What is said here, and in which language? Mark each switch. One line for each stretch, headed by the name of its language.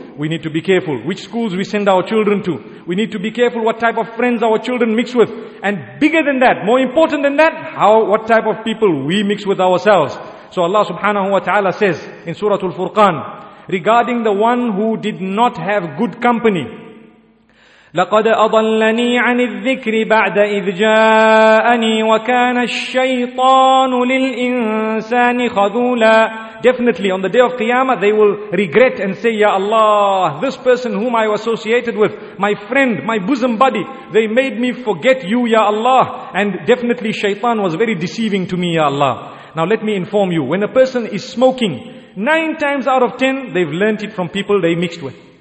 English: We need to be careful which schools we send our children to. We need to be careful what type of friends our children mix with. And bigger than that, more important than that, what type of people we mix with ourselves. So Allah subhanahu wa ta'ala says in Surah Al-Furqan, regarding the one who did not have good company.
Arabic: لقد أضلني عن الذكر بعد إذ جاءني وكان الشيطان للإنسان خذولا.
English: Definitely on the day of Qiyamah they will regret and say, Ya Allah, this person whom I associated with, my friend, my bosom buddy, they made me forget you, Ya Allah. And definitely Shaytan was very deceiving to me, Ya Allah. Now let me inform you, when a person is smoking, 9 times out of 10, they've learnt it from people they mixed with.